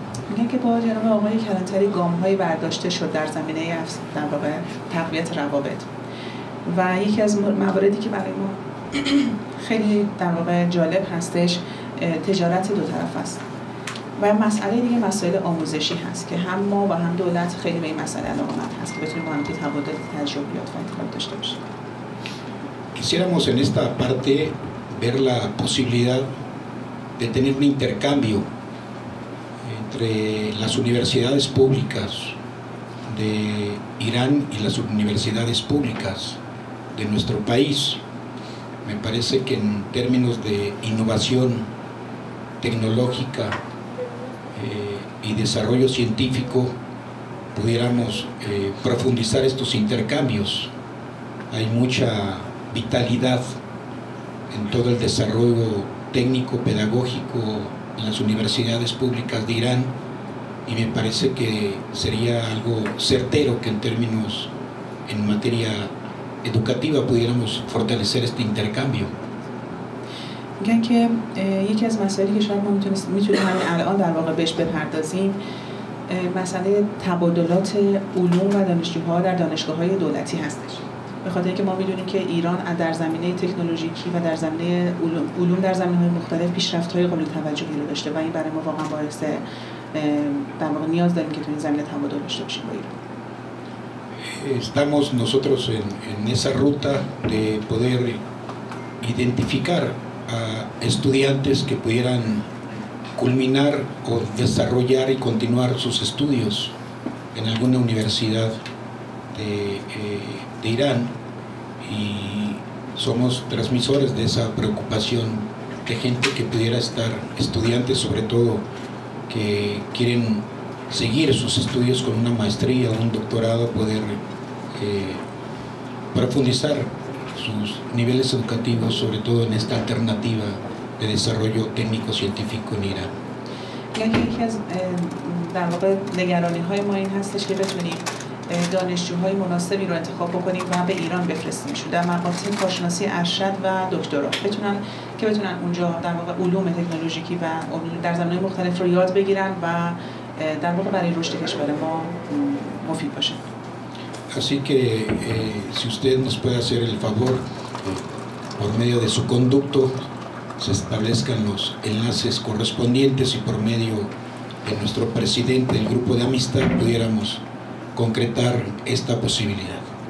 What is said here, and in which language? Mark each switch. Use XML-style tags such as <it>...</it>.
<fa>میگن که با جناب آقای کلانتری گام‌های برداشته شد در زمینه در واقع تقویت روابط و یکی از مواردی که برای ما خیلی در واقع جالب هستش تجارت دو طرف است و مسئله دیگه مسئله آموزشی هست که هم ما و هم دولت خیلی به این مسئله علاقه مند هست که بتونیم با هم تبادل تجربیات و اطلاعات داشته باشیم.</fa> <es>Quisiéramos en esta parte ver la posibilidad de tener un intercambio entre las universidades públicas de Irán y las universidades públicas de nuestro país. Me parece que en términos de innovación tecnológica y desarrollo científico pudiéramos profundizar estos intercambios. Hay mucha vitalidad en todo el desarrollo técnico pedagógico en las universidades públicas de Irán y me parece que sería algo certero que en términos en materia educativa pudiéramos fortalecer este intercambio.</es> <fa>میگن که یکی از مسائلی که شاید ما میتونیم همین الان در واقع بهش بپردازیم مسئله تبادلات علوم و دانشجوها در دانشگاه‌های دولتی هستش. به خاطر اینکه ما میدونیم که ایران در زمینه تکنولوژیکی و در زمینه علوم در زمینه‌های مختلف پیشرفت‌های قابل توجهی رو داشته و این برای ما واقعا باعث در واقع نیاز داریم که تو این زمینه تبادل داشته باشیم با ایران.</fa> <es>Estamos nosotros en esa ruta de poder identificar a estudiantes que pudieran culminar o desarrollar y continuar sus estudios en alguna universidad de Irán y somos transmisores de esa preocupación de gente que pudiera estar, estudiantes sobre todo, que quieren seguir sus estudios con una maestría o un doctorado, poder profundizar sus niveles educativos, sobre todo en esta alternativa de desarrollo técnico-científico en Irán.</es> <fa>یکی از در واقع نگرانی های ما این هستش که بتونیم دانشجوهای مناسبی رو انتخاب بکنیم و به ایران بفرستیمشون در مقاطع کارشناسی ارشد و دکترا که بتونن اونجا در واقع علوم تکنولوژیکی و علوم در زمینه مختلف رو یاد بگیرن و در واقع برای رشد کشور ما مفید باشه.</fa> <es>Así que si usted nos puede hacer el favor, por medio de su conducto, se establezcan los enlaces correspondientes y por medio de nuestro presidente del grupo de amistad pudiéramos concretar esta posibilidad.</es>